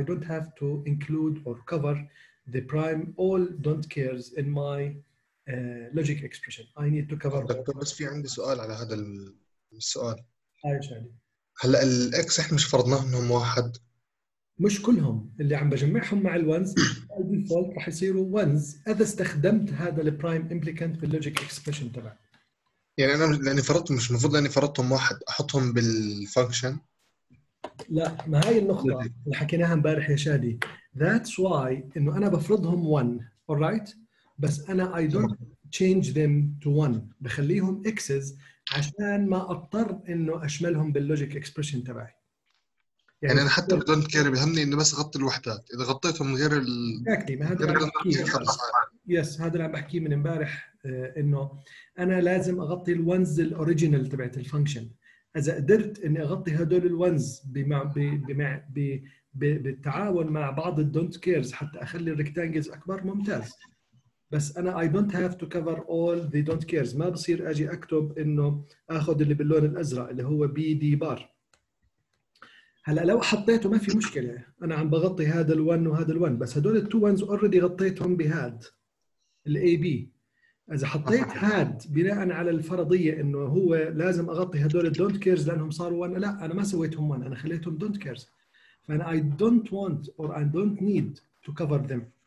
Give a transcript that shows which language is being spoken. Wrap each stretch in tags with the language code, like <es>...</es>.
<en>I don't have to include or cover the prime all don't cares in my logic expression. I need to cover.</en> <ar>دكتور بس في عندي سؤال على هذا السؤال. هاي شادي. هلا الx إحنا مش فرضناه إنهم واحد. مش كلهم اللي عم بجمعهم مع الونز الديفولت راح يصيروا ونز اذا استخدمت هذا البرايم امبليكانت في اللوجيك اكسبريشن تبعك. يعني انا لاني فرضت مش المفروض لاني فرضتهم واحد احطهم بالفانكشن. لا ما هاي النقطه اللي حكيناها امبارح يا شادي،</ar> <en>that's why</en> <ar>انه انا بفرضهم 1 اورايت بس انا</ar> <en>I don't change them to</en> <ar>1 بخليهم اكسز عشان ما اضطر انه اشملهم باللوجيك اكسبريشن تبعي. يعني أنا حتى الدونت كير بيهمني إنه بس غطي الوحدات، إذا غطيتهم غير ال. أكدي ما هذا اللي عم هذا اللي عم بحكيه من إمبارح إنه أنا لازم أغطي الونز الأوريجينال تبعت الفانكشن. إذا قدرت إني أغطي هدول الونز بمع بمع ب بالتعاون مع بعض الدونت كيرز حتى أخلي الريكتانجلز أكبر ممتاز. بس أنا</ar> <en>I don't have to cover all the don't cares.</en> <ar>ما بصير أجي أكتب إنه أخذ اللي باللون الأزرق اللي هو B D bar. هلا لو حطيته ما في مشكلة، أنا عم بغطي هذا الون وهذا الون، بس هدول التو ونز أوريدي غطيتهم بهاد الأي بي. إذا حطيت هاد بناء على الفرضية إنه هو لازم أغطي هدول الدونت كيرز لأنهم صاروا ون، لا أنا ما سويتهم ون، أنا خليتهم دونت كيرز، فأنا</ar> <en>I don't want or I don't need to cover them.</en>